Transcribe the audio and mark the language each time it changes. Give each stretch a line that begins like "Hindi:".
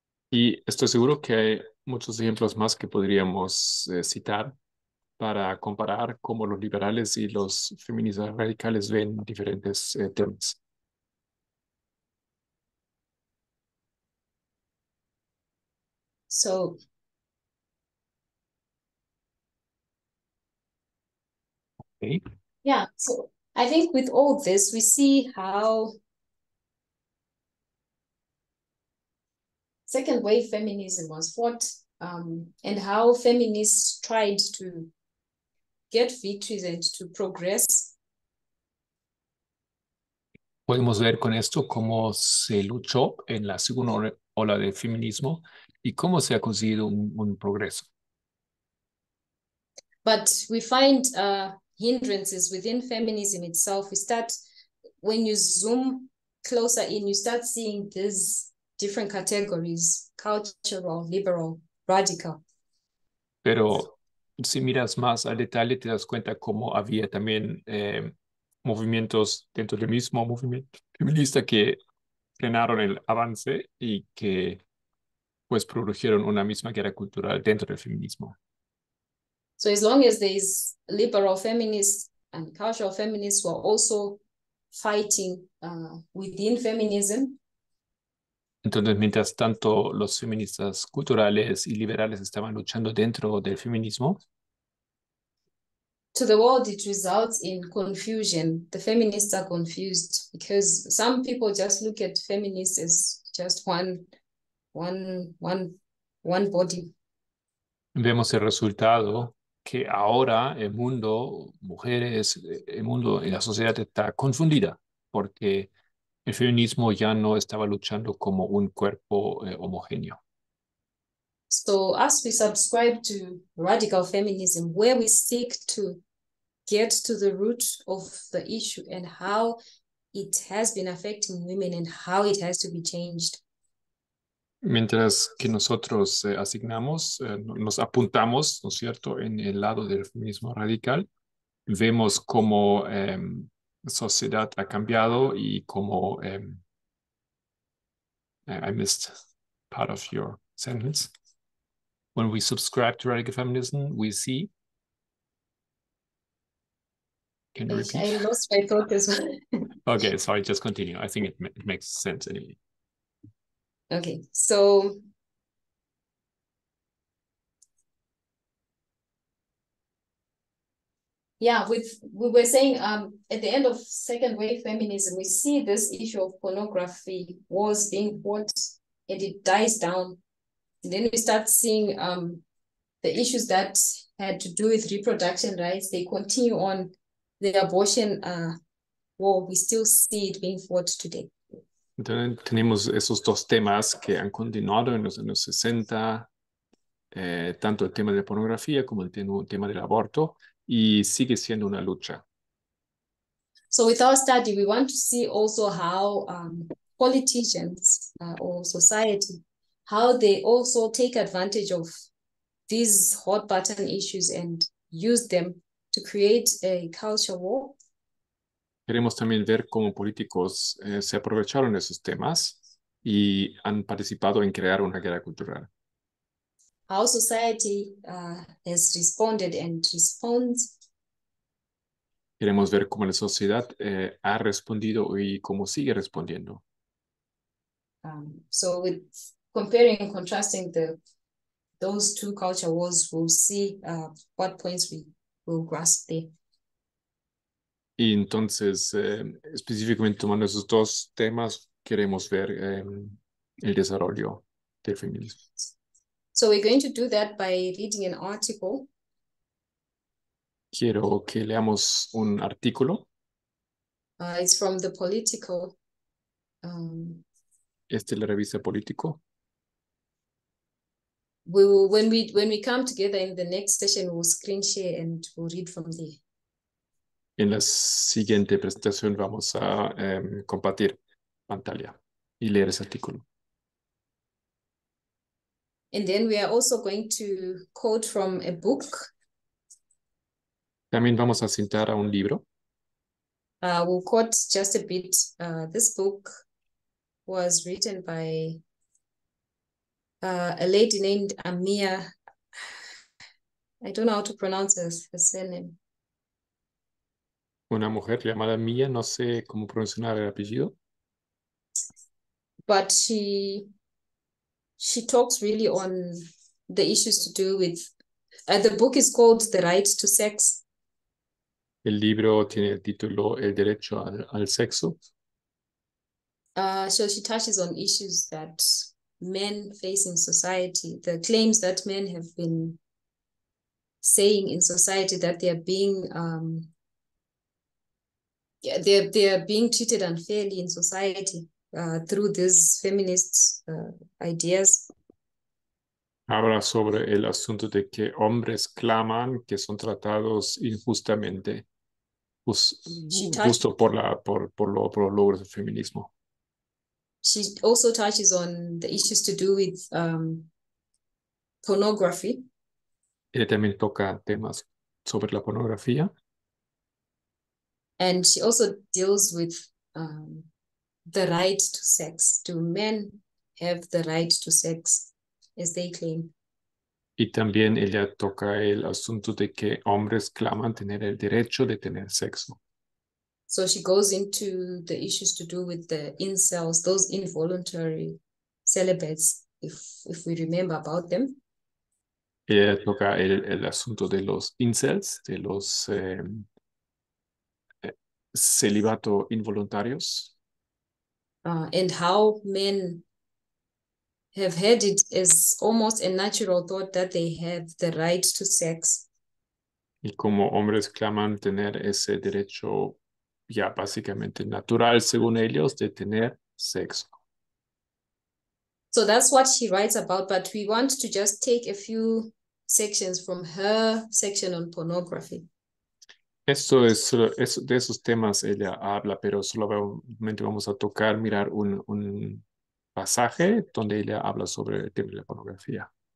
Spanish: Y estoy seguro que hay muchos ejemplos más que podríamos citar para comparar cómo los liberales y los feministas radicales ven diferentes temas.
English: So, yeah, so I think with all this, we see how second wave feminism was fought and how feminists tried to get victories and to progress.
Spanish: Podemos ver con esto cómo se luchó en la segunda ola del feminismo y cómo se ha conseguido un progreso.
English: But we find hindrances within feminism itself. We start, when you zoom closer in, you start seeing these different categories, cultural, liberal, radical.
Spanish: Pero si miras más al detalle, te das cuenta cómo había también movimientos dentro del mismo movimiento feminista que frenaron el avance y que pues produjeron una misma guerra cultural dentro del feminismo.
English: So as long as there is liberal feminists and cultural feminists were also fighting within feminism.
Spanish: Entonces, mientras tanto, los feministas culturales y liberales estaban luchando dentro del feminismo.
English: To the world, it results in confusion. The feminists are confused because some people just look at feminists as just one body.
Spanish: Vemos el resultado que ahora el mundo, mujeres, el mundo y la sociedad está confundida, porque el feminismo ya no estaba luchando como un cuerpo homogéneo.
English: So as we subscribe to radical feminism, where we seek to get to the root of the issue and how it has been affecting women and how it has to be changed.
Spanish: Mientras que nosotros asignamos, nos apuntamos, ¿no es cierto?, en el lado del feminismo radical, vemos cómo sociedad ha cambiado y cómo...
English: I missed part of your sentence. When we subscribe to radical feminism, we see... Can you repeat? I lost my focus. Okay, sorry, just continue. I think it makes sense anyway. Okay, so yeah, we were saying at the end of second wave feminism, we see this issue of pornography was being fought and it dies down. And then we start seeing the issues that had to do with reproduction rights, they continue on. The abortion war, we still see it being fought today.
Spanish: Tenemos esos dos temas que han continuado en los años 60, tanto el tema de la pornografía como el tema del aborto, y sigue siendo una lucha.
English: So with our study, we want to see also how politicians or society, how they also take advantage of these hot button issues and use them to create a culture war.
Spanish: Queremos también ver cómo políticos se aprovecharon de esos temas y han participado en crear una guerra cultural.
English: How society has responded and responds.
Spanish: Queremos ver cómo la sociedad ha respondido y cómo sigue respondiendo.
English: So with comparing and contrasting those two culture wars, we'll see what points we will grasp there.
Spanish: Y entonces, específicamente tomando esos dos temas, queremos ver el desarrollo del feminismo.
English: So we're going to do that by reading an article.
Spanish: Quiero que leamos un artículo.
English: It's from the Politico.
Spanish: Este es la revista Politico.
English: We will, when we come together in the next session, we'll screen share and we'll read from there.
Spanish: En la siguiente presentación vamos a compartir pantalla y leer ese artículo.
English: And then we are also going to quote from a book.
Spanish: También vamos a citar a un libro.
English: We'll quote just a bit. This book was written by a lady named Amia. I don't know how to pronounce her surname.
Spanish: Una mujer llamada Mia, no sé cómo pronunciar el apellido.
English: But she talks really on the issues to do with, the book is called The Right to Sex.
Spanish: El libro tiene el título El Derecho al Sexo.
English: So she touches on issues that men face in society, the claims that men have been saying in society that they are being... they're being treated unfairly in society through these feminist ideas.
Spanish: Habla sobre el asunto de que hombres claman que son tratados injustamente, justo por los logros del feminismo.
English: She also touches on the issues to do with pornography.
Spanish: Ella también toca temas sobre la pornografía.
English: And she also deals with the right to sex. Do men have the right to sex, as they claim?
Spanish: Y también ella toca el asunto de que hombres claman tener el derecho de tener sexo.
English: So she goes into the issues to do with the incels, those involuntary celibates, if we remember about them.
Spanish: Ella toca el asunto de los incels, de los... celibato involuntarios.
English: And how men have had it as almost a natural thought that they have the right to sex.
Spanish: Y como hombres claman tener ese derecho ya básicamente natural, según ellos, de tener sexo.
English: So that's what she writes about, but we want to just take a few sections from her section on pornography.
Spanish: Esto es de esos temas ella habla, pero solamente vamos a tocar, mirar un pasaje donde ella habla sobre el tema de la pornografía.